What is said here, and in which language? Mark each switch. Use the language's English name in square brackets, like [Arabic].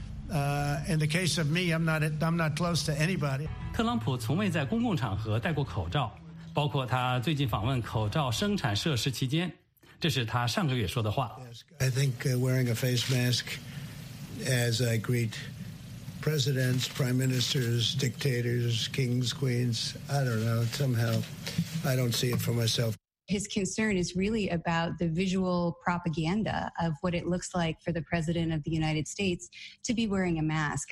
[English] In the case of me, I'm not close to anybody. [Chinese] 特朗普从未在公共场合戴过口罩，包括他最近访问口罩生产设施期间，这是他上个月说的话。 [English] I think wearing a face mask as I greet presidents, prime ministers, dictators, kings, queens, I don't know, somehow I don't see it for myself. His concern is really about the visual propaganda of what it looks like for the president of the United States to be wearing a mask.